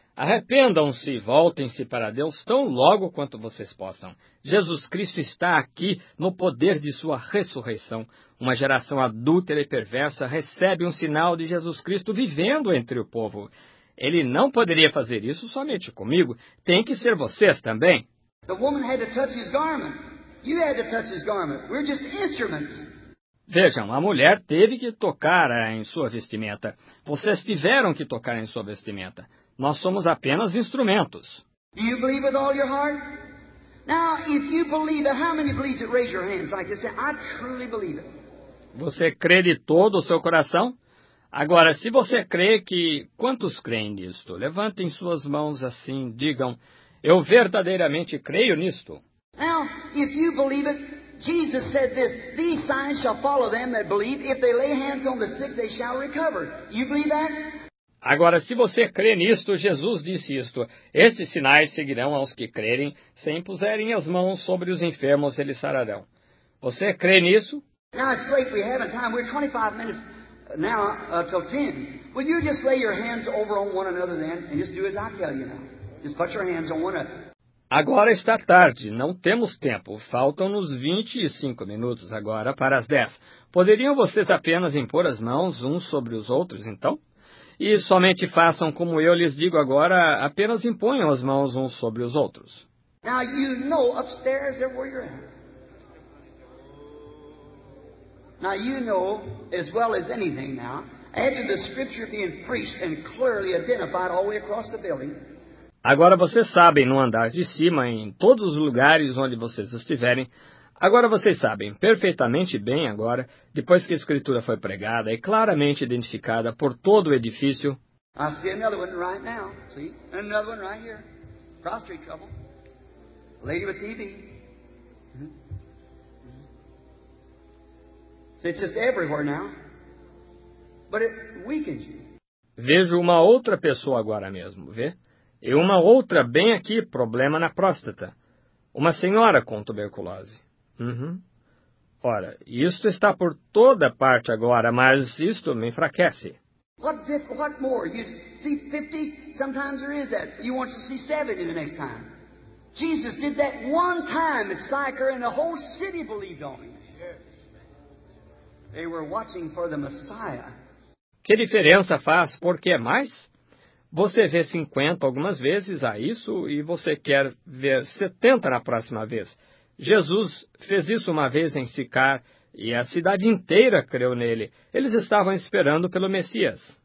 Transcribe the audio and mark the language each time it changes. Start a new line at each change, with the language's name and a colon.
Portuguese: Arrependam-se e voltem-se para Deus tão logo quanto vocês possam. Jesus Cristo está aqui no poder de sua ressurreição. Uma geração adúltera e perversa recebe um sinal de Jesus Cristo vivendo entre o povo. Ele não poderia fazer isso somente comigo. Tem que ser vocês também.
English: The woman had to touch his garment. You had to touch his garment. We're just instruments.
Portuguese: Vejam, a mulher teve que tocar em sua vestimenta. Vocês tiveram que tocar em sua vestimenta. Nós somos apenas instrumentos.
English: Do you believe with all your heart? Now, if you believe it, how many believe it? Raise your hands like this. I truly believe it.
Portuguese: Você crê de todo o seu coração? Agora, se você crê que... Quantos creem nisto? Levantem suas mãos assim, digam, eu verdadeiramente creio nisto.
English: Now, if you believe it, Jesus said this, these signs shall follow them that believe. If they lay hands on the sick, they shall recover. You believe that?
Portuguese: Agora, se você crê nisto, Jesus disse isto, estes sinais seguirão aos que crerem, se impuserem as mãos sobre os enfermos, eles sararão. Você crê nisso?
English: Now it's late, we haven't time, we're 25 minutes now, till 10. Will you just lay your hands over on one another then, and just do as I tell you now. Just put your hands on one another.
Portuguese: Agora está tarde, não temos tempo, faltam-nos 25 minutos agora para as 10. Poderiam vocês apenas impor as mãos uns sobre os outros, então? E somente façam como eu lhes digo agora, apenas imponham as mãos uns sobre os outros.
English: Now you know upstairs they're where you're at. Now you know as well as anything now, after the scripture being preached and clearly identified all the way across the building.
Portuguese: Agora vocês sabem, no andar de cima, em todos os lugares onde vocês estiverem, agora vocês sabem perfeitamente bem agora, depois que a escritura foi pregada e claramente identificada por todo o edifício.
English: I see another one right now. See? Another one right here. Prostrate trouble. Lady with TB. So it's just everywhere now. But it weakens you.
Portuguese: Vejo uma outra pessoa agora mesmo, vê? E uma outra bem aqui, problema na próstata. Uma senhora com tuberculose. Uhum. Ora, isto está por toda parte agora, mas isto me enfraquece.
English: What more? You see 50? Sometimes there is that. You want to see 70 the next time. Jesus did that one time at Sychar and the whole city believed on him. They were watching for the Messiah.
Portuguese: Que diferença faz? Por que mais? Você vê 50 algumas vezes a isso e você quer ver 70 na próxima vez. Jesus fez isso uma vez em Sicar e a cidade inteira creu nele. Eles estavam esperando pelo Messias.